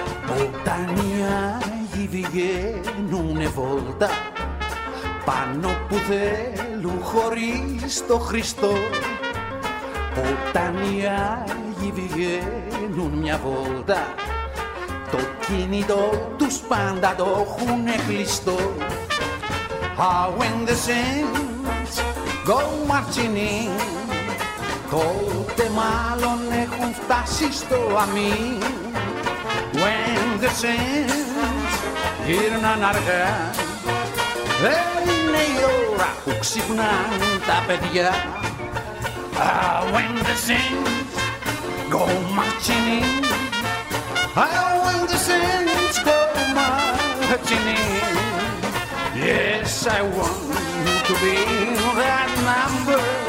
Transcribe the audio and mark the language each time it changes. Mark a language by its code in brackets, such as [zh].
[el] Όταν οι άγιοι βγαίνουνε βόλτα πάνω που θέλουν χωρίς το Χριστό. Όταν οι άγιοι βγαίνουν μια βόλτα το κινητό τους πάντα το έχουνε κλειστό. [en] How when the saints go marching in, [el] τότε μάλλον έχουν φτάσει στο αμήν. [en] When the saints [el] γύρναν αργά, είναι η ώρα που ξυπνάν τα παιδιά. [en] When the saints go marching in, when the saints go marching in, yes, I want to be that number.